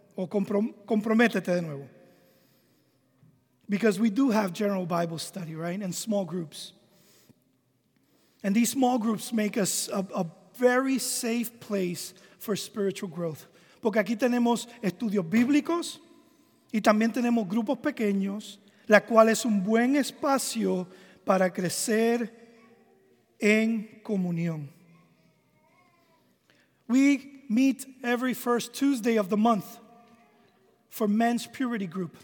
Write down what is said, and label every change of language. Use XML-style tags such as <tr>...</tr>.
<es>O comprométete de nuevo.</es> <en>Because we do have general Bible study, right? And small groups. And these small groups make us a very safe place for spiritual growth.</en> <es>Porque aquí tenemos estudios bíblicos y también tenemos grupos pequeños, la cual es un buen espacio para crecer en comunión.</es> <en>We meet every first Tuesday of the month for men's purity group.</en>